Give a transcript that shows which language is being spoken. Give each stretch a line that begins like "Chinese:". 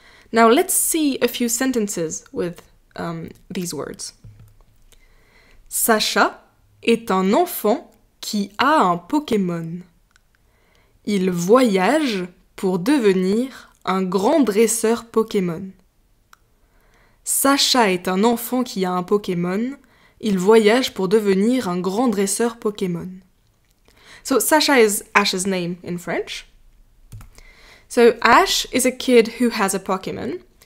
English: Now let's see a few sentences with these words.
French: Sacha est un enfant qui a un Pokémon. Il voyage pour devenir un grand dresseur Pokémon. Sacha est un enfant qui a un Pokémon. Il voyage pour devenir un grand dresseur Pokémon.
English: So Sacha is Ash's name in French. So Ash is a kid who has a Pokémon.